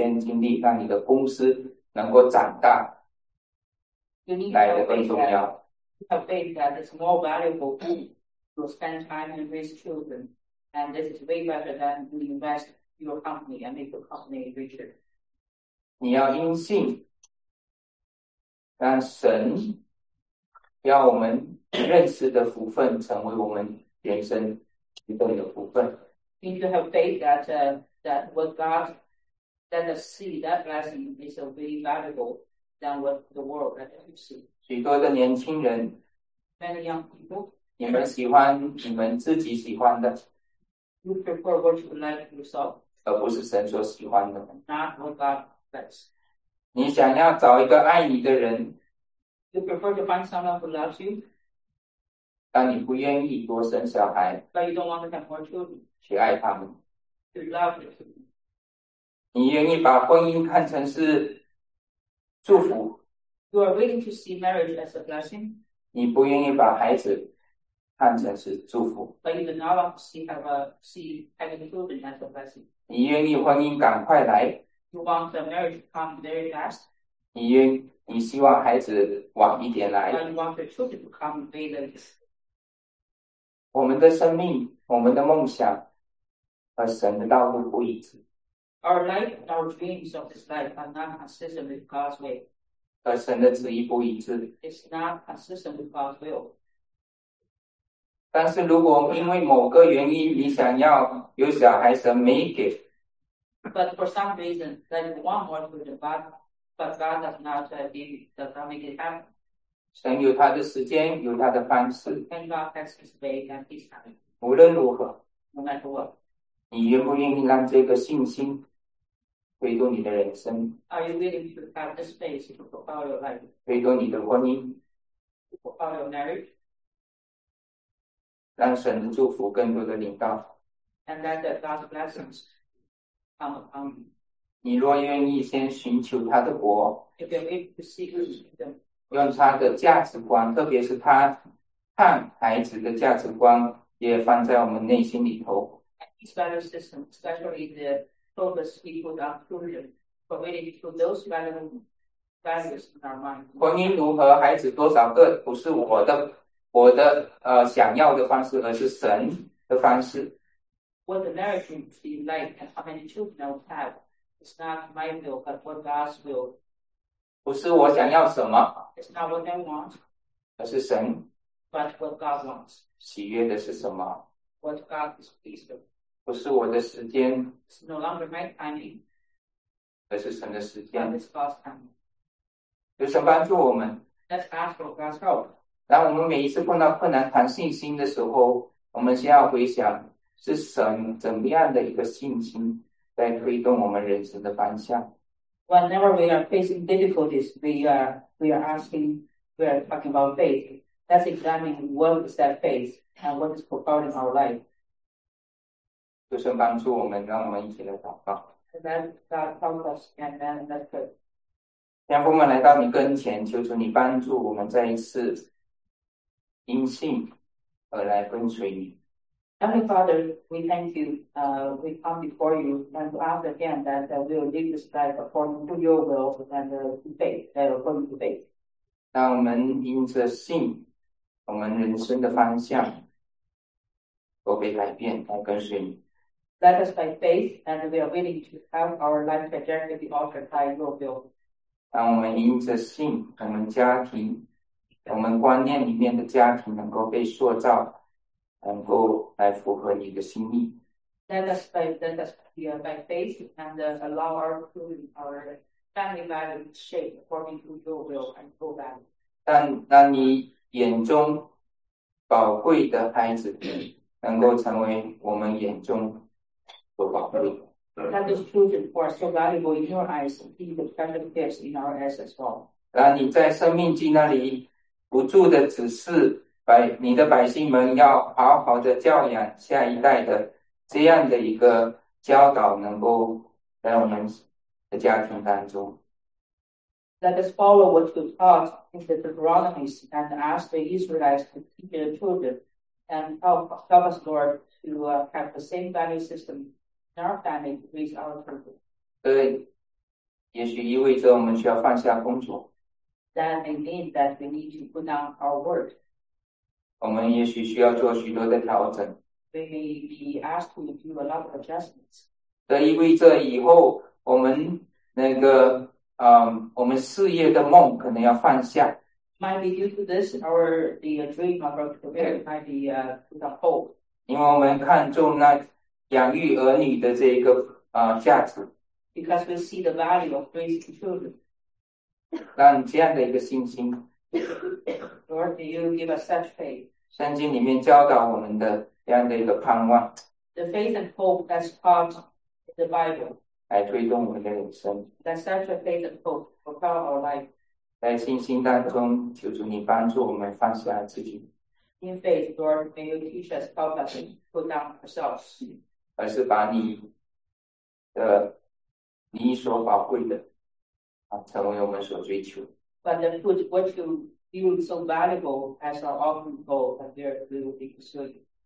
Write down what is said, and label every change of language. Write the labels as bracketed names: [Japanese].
[Chinese] 你要看见在孩子身上花的时间、投资的精力，让他能够长大，才能比你在公司里头花的时间精力，让你的公司能够长大。 [English] You need to have faith that it's more valuable. To spend time and raise children, and this is way better than to invest your company and make the company richer. [Chinese] 你要因信，让神要我们认识的福分成为我们人生一部分的福分。 [English] You need to have faith that that what God let us see that blessing is a very valuable than what the world let us see. [Chinese] 许多的年轻人 [English] Many young people. [Chinese] 你们喜欢你们自己喜欢的， [English] you prefer what you like yourself, [Chinese] 而不是神所喜欢的， [English] not what God likes. [Chinese] 你想要找一个爱你的人， [English] you prefer to find someone who loves you, [Chinese] 但你不愿意多生小孩， [English] but you don't want to have more children, [Chinese] 去爱他们， [English] to love your children. [Chinese] 你愿意把婚姻看成是祝福， [English] you are willing to see marriage as a blessing, [Chinese] 你不愿意把孩子 看成是祝福。 [English] But you do not want to see, see having children as a blessing. [Chinese] 你愿意婚姻赶快来。 [English] You want the marriage to come very fast. [Chinese] 你希望孩子晚一点来。 [English] And want the children to come later. [Chinese] 我们的生命、我们的梦想和神的道路不一致， [English] Our life, our dreams of this life are not consistent with God's way. [Chinese] 和神的旨意不一致。 [English] It's not consistent with God's will. [Chinese] 但是如果因为某个原因，你想要有小孩，神没给。 [English] But for some reason, there's one more to the God, but God does not give, does not make it happen. [Chinese] 神有他的时间，有他的方式。 [English] And God has his way and his time. [Chinese] 无论如何， [English] No matter what. [Chinese] 你愿不愿意让这个信心回顾你的人生， [English] Are you willing to have the space to propel your life? [Chinese] 回顾你的婚姻， [English] To propel your marriage? [Chinese] 让神的祝福更多的临到。 [English] And let the God's blessings come upon you. [Chinese] 你若愿意先寻求他的国。 [English] If you're willing to seek his kingdom. [Chinese] 用他的价值观，特别是他看孩子的价值观，也放在我们内心里头。 [English] His value system, especially the focus we put on children, related to those values in our mind. [Chinese] 婚姻如何，孩子多少个，不是我的想要的方式，而是神的方式。 [English] What the marriage should be like and how many children I would have is not my will, but what God's will. [Chinese] 不是我想要什么。 [English] It's not what I want, [Chinese] 而是神 [English] but what God wants. [Chinese] 喜悦的是什么？ [English] What God is pleased with. [Chinese] 不是我的时间， [English] It's no longer my timing, [Chinese] 而是神的时 [English] but [Chinese] 间。 [English] it's God's timing. [Chinese] 求神帮助我们。 [English] Let's ask for God's help. [Chinese] 当我们每一次碰到困难、谈信心的时候，我们先要回想是神怎么样的一个信心在推动我们人生的方向。 [English] Whenever we are facing difficulties, we are talking about faith. Let's examine what is that faith and what is propelling our life. [Chinese] 求神帮助我们，让我们一起来祷告。 [English] And then God help us, and then that's good. [Chinese] 天父，我们来到你跟前，求主你帮助我们再一次因信而来跟随你。 [English] Heavenly Father, we thank you. We come before you and to ask again that we will live this life according to your will and to faith, that according to faith. [Chinese] 让我们因着信，我们人生的方向都被改变，来跟随你。 [English] Let us by faith, and we are willing to have our life trajectory be altered by your will. [Chinese] 让我们因着信，我们家庭，我们观念里面的家庭能够被塑造。能够来符合你的心意。 [English] Let us by faith and allow our family value to shape according to your will and your value. [Chinese] 让你眼中宝贵的孩子，能够成为我们眼中所宝贵的。 [English] Let those children who are so valuable in your eyes be the special gifts in our eyes as well. [Chinese] 让你在生命记那里不住的指示。你的百姓们要好好的教养下一代的这样的一个教导，能够在我们的家庭当中。 [English] Let us follow what you taught in the Deuteronomies and ask the Israelites to teach their children and help us, Lord, to have the same value system in our family to raise our children. [Chinese] 对，也许意味着我们需要放下工作。 [English] That may mean that we need to put down our work. [Chinese] 我们也许需要做许多的调整， [English] We may be asked to do a lot of adjustments. [Chinese] 这意味着以后我们那个，我们事业的梦可能要放下。 [English] Might be due to this, or the dream of our career might be put on hold. [Chinese] 因为我们看重那养育儿女的这个价值， [English] Because we see the value of raising children. [Chinese] 让这样的一个信心。 [English] Lord, do you give us such faith? [Chinese] 圣经里面教导我们的这样的一个盼望， [English] The faith and hope that's taught in the Bible. [Chinese] 来推动我们的人生。 [English] That such a faith and hope propel our life. [Chinese] 在信心当中，求主你帮助我们放下自己， [English] In faith, Lord, may you teach us how to put down ourselves. [Chinese] 而是把你的你所宝贵的成为我们所追求。 [English] But then put what you feel so valuable as our ultimate goal and there we will be pursuing.